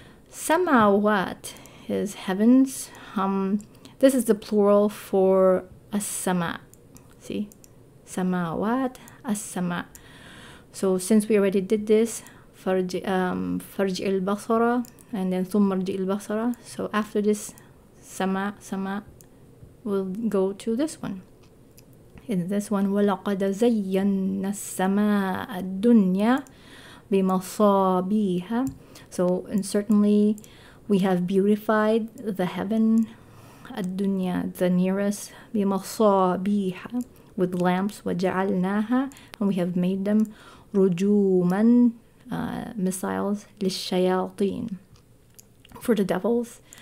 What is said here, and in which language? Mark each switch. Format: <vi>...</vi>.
<en>Samawat is heavens. This is the plural for as-sama. See? Samawat, as-sama. So since we already did this, farji al-basara, and then thummarji al-basara. So after this, sama, we'll go to this one. In this one,</en> <ar>وَلَقَدَ زَيَّنَّ السَّمَاءَ الدُّنْيَا بِمَصَابِيهَا.</ar> <en>So, and certainly, we have beautified the heaven, الدُّنْيَا, the nearest, بِمَصَابِيهَا, with lamps, وَجَعَلْنَاهَا, and we have made them, رُجُومًا, missiles, لِلشَّيَاطِينَ, for the devils.</en>